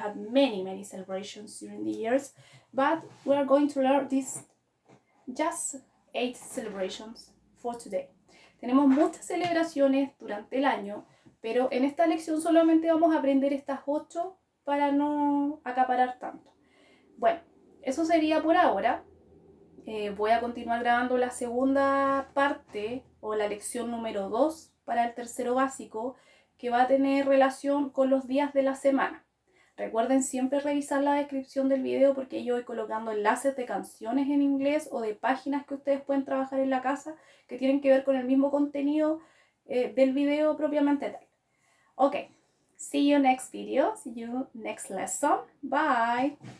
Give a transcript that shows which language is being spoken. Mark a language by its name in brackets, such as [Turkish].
[English] We have many, many celebrations during the years. But we are going to learn these just 8 celebrations for today. [Spanish] Tenemos muchas celebraciones durante el año, pero en esta lección solamente vamos a aprender estas 8 para no acaparar tanto. Bueno, eso sería por ahora. Voy a continuar grabando la segunda parte o la lección número 2 para el tercero básico, que va a tener relación con los días de la semana. Recuerden siempre revisar la descripción del video porque yo voy colocando enlaces de canciones en inglés o de páginas que ustedes pueden trabajar en la casa que tienen que ver con el mismo contenido del video propiamente tal. [English] Ok, see you next video, see you next lesson. Bye.